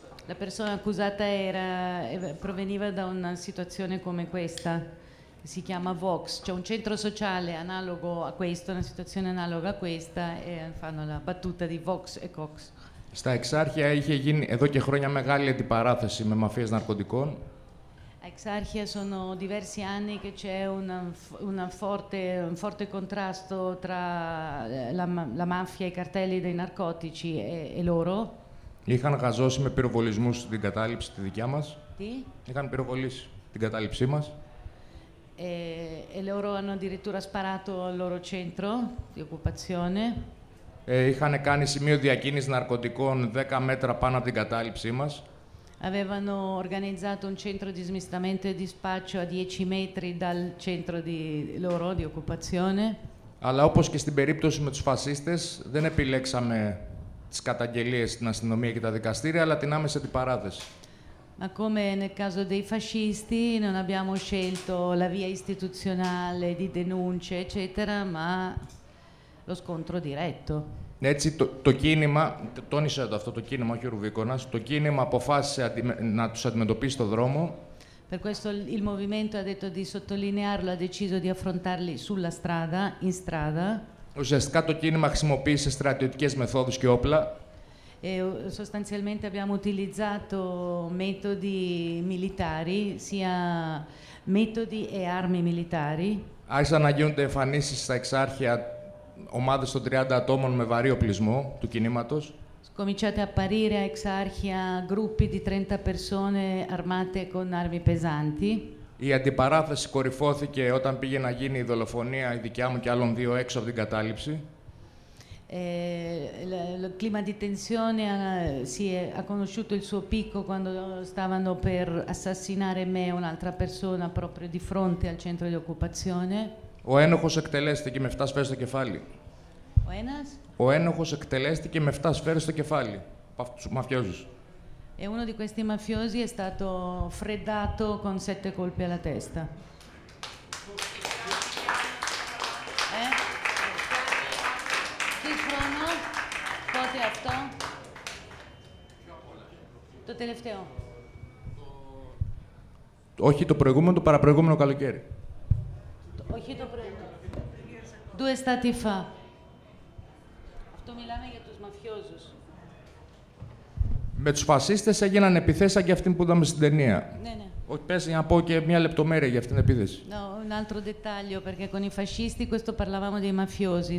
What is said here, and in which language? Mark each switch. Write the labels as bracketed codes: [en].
[it] La persona accusata era, proveniva da una situazione come questa, che si chiama Vox, cioè un centro sociale analogo a questo, una situazione analoga a questa, e fanno la battuta di Vox e Cox. [el] Στα Εξάρχεια είχε γίνει εδώ και χρόνια μεγάλη αντιπαράθεση με μαφίες ναρκωτικών. [it] A Εξάρχεια sono diversi anni che c'è un forte contrasto tra la mafia e i cartelli dei narcotici e loro. [el] Είχαν γαζώσει με πυροβολισμούς την κατάληψη τη δικιά μας. Τι? Είχαν πυροβολήσει την κατάληψή μας. [it] E loro hanno addirittura sparato al loro centro di occupazione. [el] Είχαν κάνει σημείο διακίνησης ναρκωτικών 10 μέτρα πάνω από την κατάληψή μας. [it] Avevano organizzato un centro di smistamento e di spaccio a 10 metri dal centro di loro di occupazione. [el] Αλλά όπως και στην περίπτωση με τους φασίστες, δεν επιλέξαμε τις καταγγελίες στην αστυνομία και τα δικαστήρια, αλλά την άμεση αντιπαράθεση. [it] Ma come nel caso dei fascisti non abbiamo scelto la via istituzionale di denuncia eccetera, ma lo scontro diretto. [el] Έτσι το κίνημα, τόνισε αυτό το κίνημα, όχι ο Ρουβίκονας, το κίνημα αποφάσισε να τους αντιμετωπίσει στο δρόμο. [it] Per questo il movimento ha detto di sottolinearlo, ha deciso di affrontarli sulla strada, in strada. [el] Ουσιαστικά το κίνημα χρησιμοποίησε στρατιωτικές μεθόδους και όπλα. [it] Sostanzialmente abbiamo utilizzato metodi militari, sia metodi e armi militari. [el] Άρχισαν να γίνονται εμφανίσεις στα Εξάρχεια ομάδες των 30 ατόμων με βαρύ οπλισμό του κινήματος. [it] Cominciate a apparire a Εξάρχεια gruppi di 30 persone armate con armi pesanti. [el] Η αντιπαράθεση κορυφώθηκε όταν πήγε να γίνει η δολοφονία η δικιά μου και άλλων δύο έξω από την κατάληψη. [it] Lo clima di tensione si è conosciuto il suo picco quando stavano per assassinare me e un'altra persona proprio di fronte al centro di occupazione. [el] Ο ένοχος εκτελέστηκε με 7 σφαίρες στο κεφάλι. Ο ένας? Ο ένοχος εκτελέστηκε με 7 σφαίρες στο κεφάλι από αυτούς τους μαφιόζους. [it] E uno di questi mafiosi è stato freddato con 7 colpi alla testa. Chi sono? Quanti atto? [el] Το τελευταίο. Όχι το προηγούμενο, το παραπροηγούμενο καλοκαίρι. Όχι το προηγούμενο. [it] Due stati fa. [el] Αυτό μιλάμε για τους μαφιόζους. Με τους φασίστες έγιναν επιθέσεις και αυτήν που είδαμε στην ταινία. Ναι, ναι. Πες να πω και μια λεπτομέρεια για αυτήν την επίθεση. [it] No, un altro dettaglio, perché con i fascisti questo parlavamo dei mafiosi.